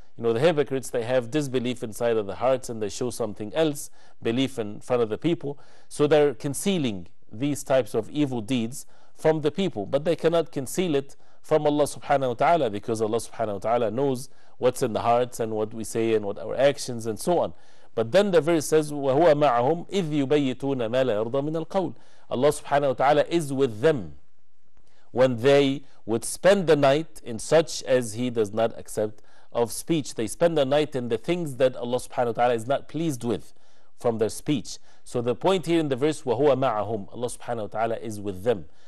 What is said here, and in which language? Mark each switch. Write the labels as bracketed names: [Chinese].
[English] You know, the hypocrites, they have disbelief inside of their hearts, and they show something else, belief in front of the people. So they're concealing these types of evil deeds from the people, but they cannot conceal it from Allah subhanahu wa ta'ala, because Allah subhanahu wa ta'ala knows what's in the hearts and what we say and what our actions and so on. But then the verse says, [Arabic] وَهُوَ مَعَهُمْ إِذْ يُبَيِّتُونَ مَا لَا يَرْضَى مِنَ الْقَوْلِ. [English] Allah subhanahu wa ta'ala is with them when they would spend the night in such as he does not accept of speech. They spend the night in the things that Allah subhanahu wa ta'ala is not pleased with from their speech. So the point here in the verse, [Arabic] وَهُوَ مَعَهُمْ, [English] Allah subhanahu wa ta'ala is with them.